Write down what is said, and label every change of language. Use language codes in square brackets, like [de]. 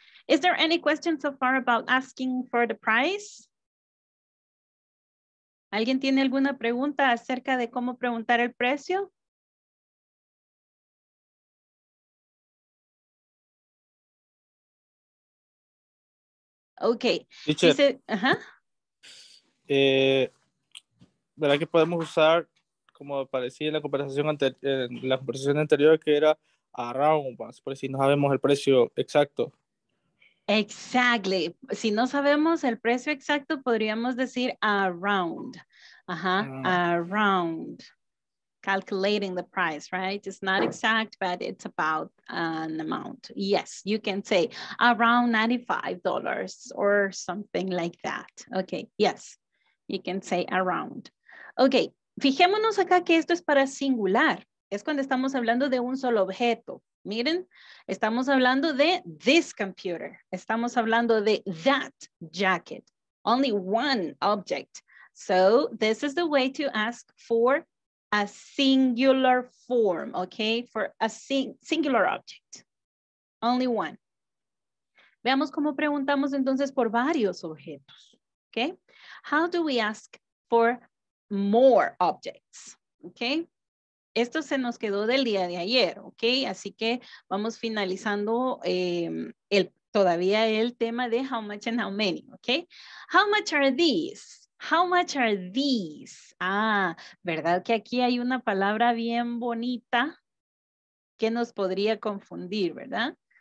[en] Is there any question so far about asking for the price? [es] ¿Alguien tiene alguna pregunta acerca de cómo preguntar el precio? [en] Okay. [es] Teacher, ¿verdad que podemos usar como parecía en la conversación anterior, que era around, por si no sabemos el precio exacto? [en] Exactly. [es] Si no sabemos el precio exacto, podríamos decir around. [en] Ajá, around. Calculating the price, right? It's not exact, but it's about an amount. Yes, you can say around $95 or something like that. Okay, yes, you can say around. Okay. [es] Fijémonos acá que esto es para singular. Es cuando estamos hablando de un solo objeto. Miren, estamos hablando de [en] this computer. [es] Estamos hablando de [en] that jacket. only one object. So this is the way to ask for a singular form, okay? For a singular object, only one. [es] Veamos cómo preguntamos entonces por varios objetos, okay? [en] How do we ask for more objects, okay? [es] Esto se nos quedó del día de ayer, okay? Así que vamos finalizando todavía el tema de [en] how much and how many, [es] okay? [en] How much are these? How much are these? [es] Ah, ¿verdad que aquí hay una palabra bien bonita que nos podría confundir, verdad?